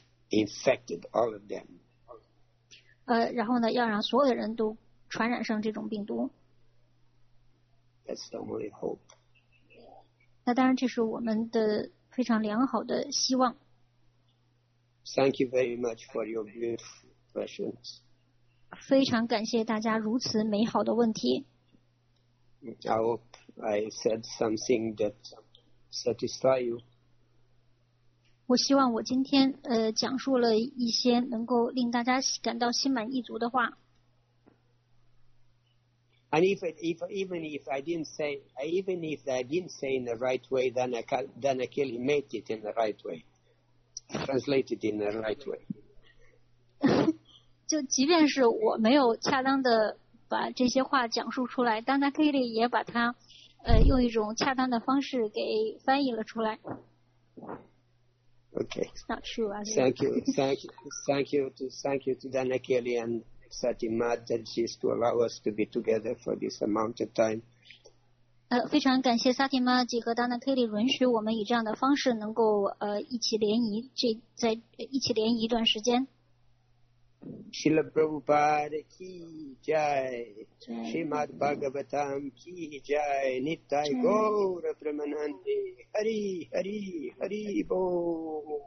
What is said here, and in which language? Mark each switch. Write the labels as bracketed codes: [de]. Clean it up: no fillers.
[en] Infected all of them. [zh] 然后呢，要让所有的人都传染上这种病毒。 [en] That's the only hope. [zh] 那当然，这是我们的非常良好的希望。 [en] Thank you very much for your beautiful questions. [zh] 非常感谢大家如此美好的问题。 [en] I hope I said something that satisfies you. [zh] 我希望我今天讲述了一些能够令大家感到心满意足的话。 [en] And even if I didn't say in the right way, then I clearly made it in the right way. Translated in the right way. [zh] 就即便是我没有恰当的把这些话讲述出来，但他可以也把它用一种恰当的方式给翻译了出来。 [en] Okay. Not true, I think. Thank you to Dana Kelly and Satimad that she's to allow us to be together for this amount of time. [zh] 非常感谢萨提玛吉和达纳佩里允许我们以这样的方式能够一起联谊，这在一起联谊一段时间。 [sa] Śrīla Prabhupāda ki jai, Śrīmad Bhagavatam ki jai, Nittai Gaura Premanande, Hari Hari Hari Bo,